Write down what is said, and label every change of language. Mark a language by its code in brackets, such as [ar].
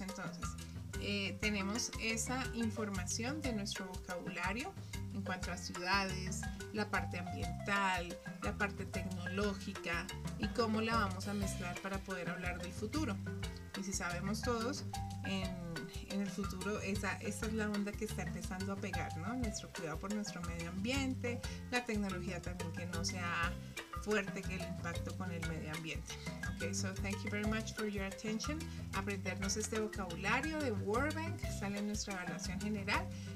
[es] Entonces, tenemos esa información de nuestro vocabulario en cuanto a ciudades, la parte ambiental, la parte tecnológica y cómo la vamos a mezclar para poder hablar del futuro. Y si sabemos todos, en el futuro esa es la onda que está empezando a pegar, ¿no? Nuestro cuidado por nuestro medio ambiente, la tecnología también que no sea fuerte que el impacto con el medio ambiente. [en] Okay, so thank you very much for your attention. [es] Aprendernos este vocabulario de World Bank sale en nuestra evaluación general.